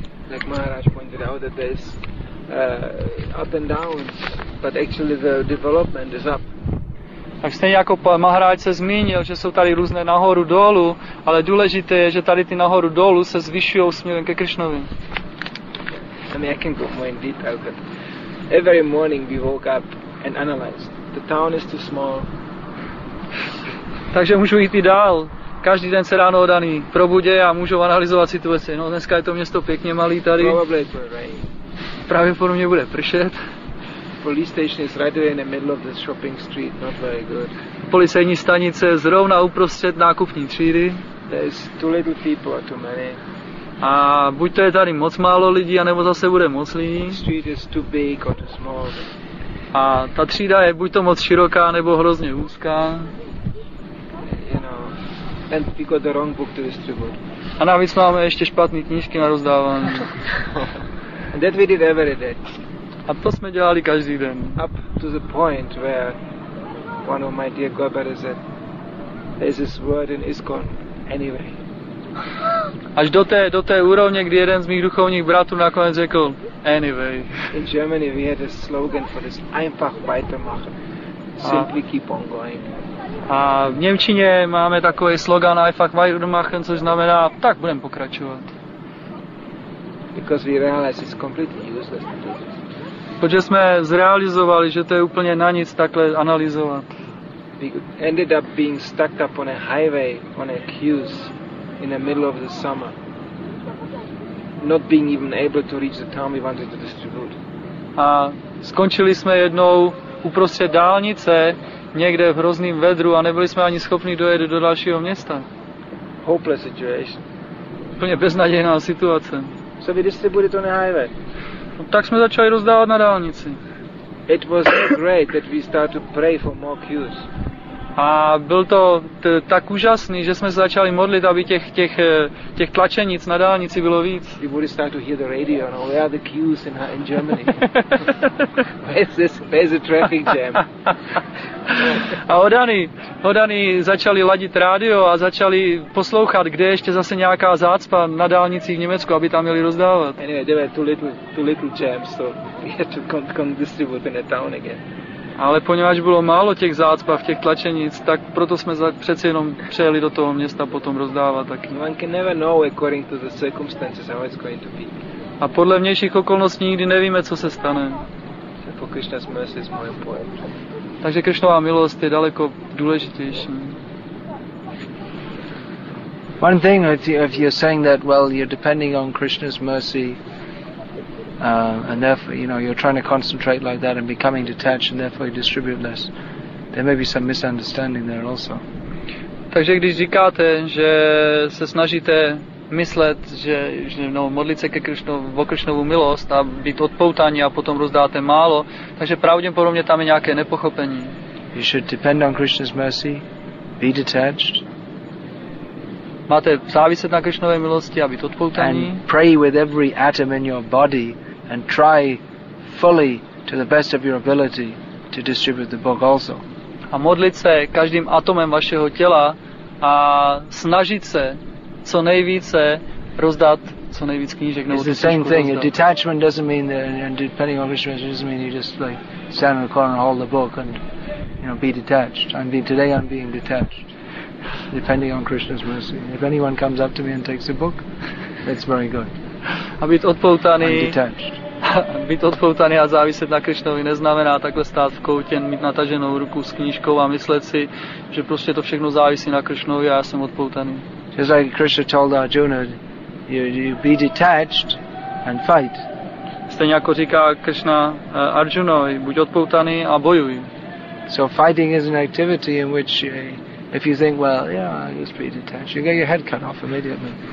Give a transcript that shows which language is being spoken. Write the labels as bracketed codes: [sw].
[en] Like Maharaj pointed out that there's up and downs, but actually the development is up. [cs] Tak stejně jako Maharaj se zmínil, že jsou tady různé nahoru dolů, ale důležité je, že tady ty nahoru dolů se zvyšují směrem ke Krišnovi. [en] I mean, I can go more in detail, but every morning we woke up and analyzed. The town is too small. [cs] Takže můžu jít i dál. Každý den se ráno odaný probudí a můžu analyzovat situaci. No, dneska je to město pěkně malý tady. [en] Probably it will rain. [cs] Pravděpodobně bude pršet. [en] Police station is right in the middle of the shopping street. Not very good. [cs] Policejní stanice zrovna uprostřed nákupní třídy. [en] There's too little people or too many. [cs] A buď to je tady moc málo lidí, anebo zase bude moc lidí. [en] Street is too big or too small. [cs] A ta třída je buď to moc široká, nebo hrozně úzká. [en] You know, and we got the wrong book to distribute. [cs] A navíc máme ještě špatný knížky na rozdávání. [en] And that we did every day. [cs] A to jsme dělali každý den. [en] Up to the point where one of my dear godbrothers said, there's this word in ISKCON anyway. [cs] Až do té úrovně, kdy jeden z mých duchovních bratů nakonec řekl anyway. [en] In Germany we had a slogan for this [de] einfach weitermachen. [en] Simply keep on going. [cs] A v němčině máme takový slogan [de] einfach weitermachen, [cs] což znamená tak budem pokračovat. [en] Because we realize it's completely useless to do this. [cs] Protože jsme zrealizovali, že to je úplně na nic takhle analyzovat. [en] We ended up being stuck up on a highway on a queues. In the middle of the summer, not being even able to reach the town we wanted to distribute. [cs] A skončili jsme jednou uprostřed dálnice, někde v hrozným vedru, a nebyli jsme ani schopni dojet do dalšího města. [en] Hopeless situation. [cs] Úplně beznadějná situace. [en] So we distributed on the highway. [cs] No, tak jsme začali rozdávat na dálnici. [en] It was great that we started to pray for more queues. [cs] A byl to tak úžasný, že jsme se začali modlit, aby těch tlačenic na dálnici bylo víc. [en] We would start to hear the radio, no? Where are the queues in Germany? Where's the traffic jam? [cs] A odaný začali ladit rádio a začali poslouchat, kde ještě zase nějaká zácpa na dálnici v Německu, aby tam měli rozdávat. [en] Anyway, there were too little jams, so we had to come distribute in the town again. [cs] Ale poněvadž bylo málo těch zácpa v těch tlačenic, tak proto jsme přeci jenom přejeli do toho města potom rozdávat taky. [en] One can never know according to the circumstances how it's going to be. [cs] A podle vnějších okolností nikdy nevíme, co se stane. [en] So Krishna's mercy is more important. [cs] Takže Krishnova milost je daleko důležitější. [en] One thing, if you're saying that, well, you're depending on Krishna's mercy, and therefore, you know, you're trying to concentrate like that and becoming detached, and therefore you distribute less, there may be some misunderstanding there also. [cs] Takže když říkáte, že se snažíte myslet, že modlit se ke Krišnovu, o Krišnovu milost a být odpoutaní a potom rozdáte málo, takže pravděpodobně tam je nějaké nepochopení. [en] You should depend on Krishna's mercy, be detached. [cs] Máte záviset na Krišnové milosti a být odpoutaní. [en] And pray with every atom in your body and try fully to the best of your ability to distribute the book also. [cs] A modlit se každým atomem vašeho těla a snažit se co nejvíce rozdat co nejvíc knížek nebo tisíčku rozdat. [en] It's the same thing. Detachment doesn't mean that, and depending on Krishna doesn't mean you just like stand in the corner and hold the book and, you know, be detached. I'm being detached, depending on Krishna's mercy. If anyone comes up to me and takes a book, that's very good. [cs] A být odpoutaný. Být odpoutaný a záviset na Krišnovi neznamená takhle stát v koutě, mít nataženou ruku s knížkou a myslet si, že prostě to všechno závisí na Krišnovi a já jsem odpoutaný. [en] Just like Krishna told Arjuna, you be detached and fight. [cs] Stejně jako říká Krishna Arjunovi, buď odpoutaný a bojuj. [en] So fighting is an activity in which if you think, well, yeah, I'll just be detached, you get your head cut off immediately.